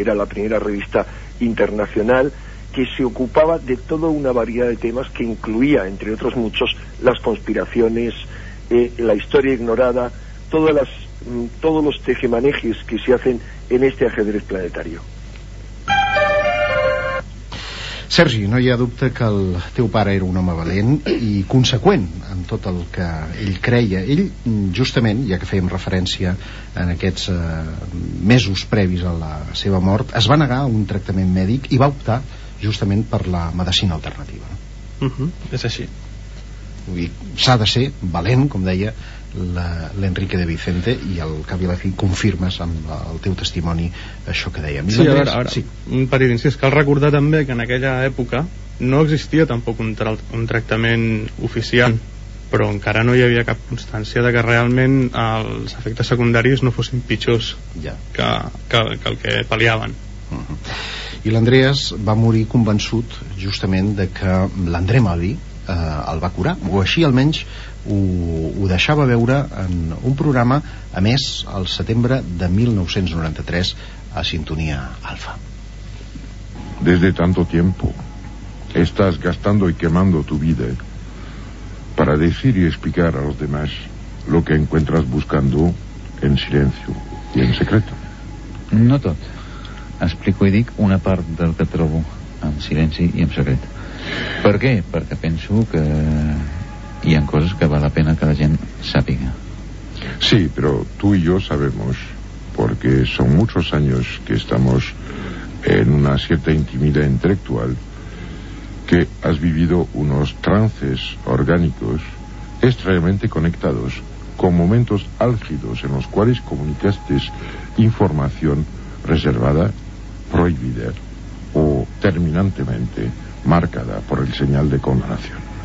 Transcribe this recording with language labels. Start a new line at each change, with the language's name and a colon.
Spanish: Era la primera revista internacional que se ocupaba de toda una variedad de temas, que incluía, entre otros muchos, las conspiraciones, la historia ignorada, todos los tejemanejes que se hacen en este ajedrez planetario.
Catalan: Sergi, no hi ha dubte que el teu pare era un home valent i conseqüent en tot el que ell creia. Ell, justament, ja que fèiem referència en aquests mesos previs a la seva mort, es va negar a un tractament mèdic i va optar justament per la medicina alternativa. És així. Vull dir, s'ha de ser valent, com deia l'Enrique de Vicente, i al cap i a la fi confirmes amb el teu testimoni això que dèiem. Sí, sí, un petit incís. Cal recordar també que en aquella època no existia tampoc un tractament oficial, però encara no hi havia cap constància de que realment els efectes secundaris no fossin pitjors que el que pal·liaven. I l'Andreas va morir convençut justament de que l'André Mavi el va curar, o així almenys ho deixava veure en un programa emès al setembre de 1993 a Sintonia Alfa.
Spanish: Desde tanto tiempo estás gastando y quemando tu vida para decir y explicar a los demás lo que encuentras buscando en silencio y en secreto.
Catalan: No tot. Explico i dic una part del que trobo en silenci i en secret. Per què? Perquè penso que hi ha coses que val la pena que la gent sàpiga. Sí, però tu i jo
Spanish: sabemos,
Catalan: perquè són molts anys que estem en una certa intimitat intel·lectual, que has vivit uns trances orgànics estranyament connectats amb moments àlgids en els quals comunicastes informació reservada, prohibida o terminantment marcada per el senyal de condenació.